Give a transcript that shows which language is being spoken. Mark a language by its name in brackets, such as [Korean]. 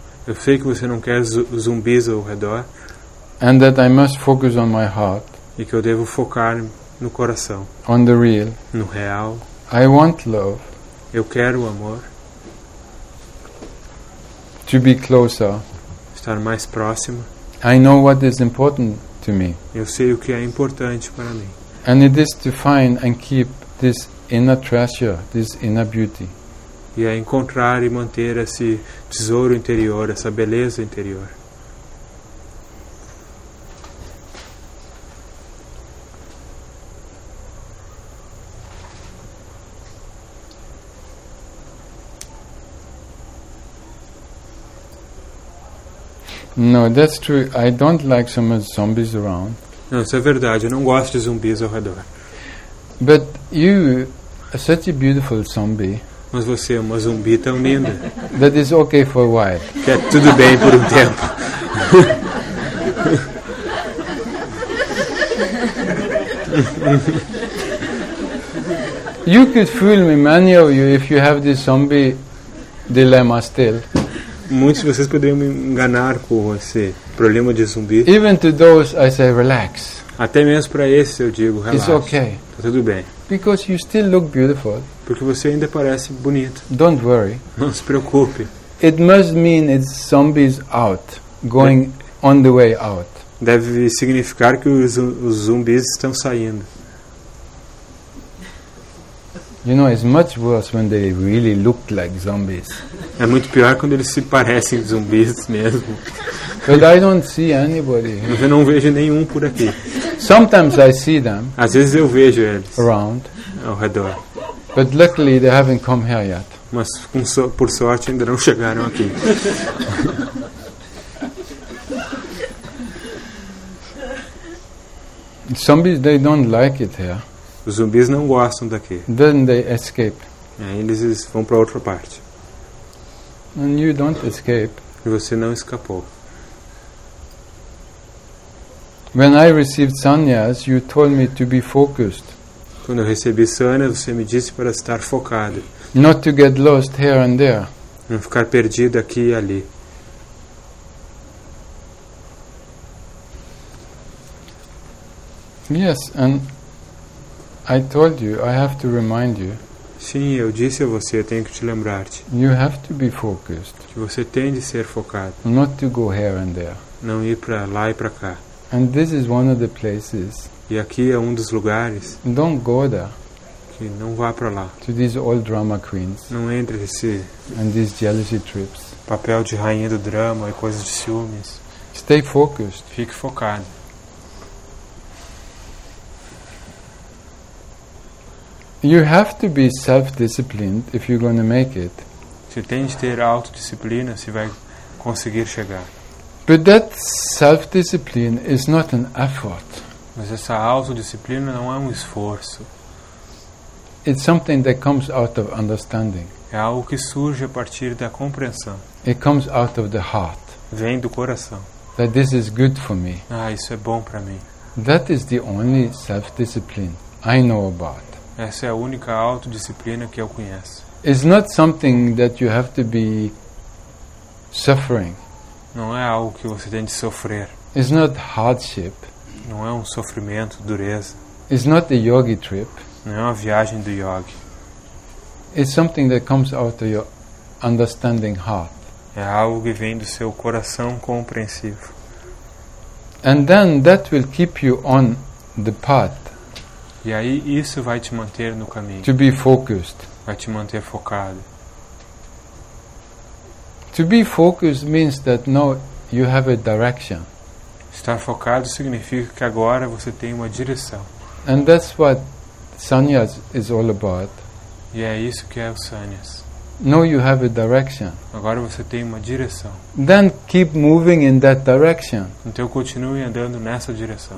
[Portuguese] Eu sei que você não quer zumbis ao redor. [English] And that I must focus on my heart. [Portuguese] E que eu devo focar no coração. [English] On the real. [Portuguese] No real. [English] I want love. [Portuguese] Eu quero o amor. [English] To be closer. [Portuguese] Estar mais próximo. [English] I know what is important to me. [Portuguese] Eu sei o que é importante para mim. [English] And it is to find and keep this inner treasure, this inner beauty. [Portuguese] E é encontrar e manter esse tesouro interior, essa beleza interior. [English] No, that's true. I don't like so much zombies around. [Portuguese] Não, isso é verdade. Eu não gosto de zumbis ao redor. [English] But you are such a beautiful zombie. [Portuguese] Mas você é uma zumbi tão linda. [English] That is okay for a while. [Portuguese] Que é tudo bem por tempo. [English] You could fool me, many of you, if you have this zombie dilemma still. [Portuguese] Muitos de vocês poderiam me enganar com esse problema de zumbi. [English] Even to those, I say relax. [Portuguese] Até mesmo para esses eu digo relax. [English] It's okay. [Portuguese] Tá tudo bem. [English] Because you still look beautiful. [Portuguese] Porque você ainda parece bonito. [English] Don't worry. [Portuguese] Não se preocupe. [English] It must mean it's zombies out, going on the way out. [Portuguese] Deve significar que os zumbis estão saindo. [English] You know, it's much worse when they really look like zombies. [Portuguese] É muito pior quando eles se parecem zumbis mesmo. [English] But I don't see anybody. [Portuguese] Mas eu não vejo nenhum por aqui. [English] Sometimes I see them. [Portuguese] Às vezes eu vejo eles. [English] Around. [Portuguese] Ao redor. [English] But luckily they haven't come here yet. [Portuguese] Mas por sorte ainda não chegaram aqui. [English] Zombies, they don't like it here. [Portuguese] Os zumbis não gostam daqui. [English] Then they escape. [Portuguese] Aí eles vão para outra parte. [English] And you don't escape. [Portuguese] E você não escapou. [English] When I received sannyas, you told me to be focused. [Portuguese] Quando eu recebi sannyas, você me disse para estar focado. [English] Not to get lost here and there. [Portuguese] Não ficar perdido aqui e ali. [English] Yes, and I told you, I have to remind you. [Portuguese] Sim, eu disse a você, eu tenho que te lembrar-te. [English] You have to be focused. [Portuguese] Que você tem de ser focado. [English] Not to go here and there. [Portuguese] Não ir para lá e para cá. [English] And this is one of the places. [Portuguese] E aqui é um dos lugares. [English] Don't go there. [Portuguese] Que não vá para lá. [English] To these old drama queens. [Portuguese] Não entre esse. [English] And these jealousy trips. [Portuguese] Papel de rainha do drama e coisas de ciúmes. [English] Stay focused. [Portuguese] Fique focado. [English] You have to be self-disciplined if you're going to make it. [Portuguese] Você tem de ter autodisciplina se vai conseguir chegar. [English] But that self-discipline is not an effort. [Portuguese] Mas essa autodisciplina não é um esforço. [English] It's something that comes out of understanding. [Portuguese] É algo que surge a partir da compreensão. [English] It comes out of the heart. [Portuguese] Vem do coração. [English] That this is good for me. [Portuguese] Ah, isso é bom para mim. [English] That is the only self-discipline I know about. [Portuguese] Essa é a única autodisciplina que eu conheço. [English] It's not something that you have to be suffering. [Portuguese] Não é algo que você tem de sofrer. [English] It's not hardship. [Portuguese] Não é um sofrimento, dureza. [English] It's not a yogi trip. [Portuguese] Não é uma viagem do yogi. [English] It's something that comes out of your understanding heart. [Portuguese] É algo que vem do seu coração compreensivo. [English] And then that will keep you on the path. [Portuguese] E aí isso vai te manter no caminho. [English] To be focused. [Portuguese] Vai te manter focado. [English] To be focused means that now you have a direction. [Portuguese] Estar focado significa que agora você tem uma direção. [English] And that's what sannyas is all about. [Portuguese] E é isso que é o sannyas. [English] Now you have a direction. [Portuguese] Agora você tem uma direção. [English] Then keep moving in that direction. [Portuguese] Então continue andando nessa direção.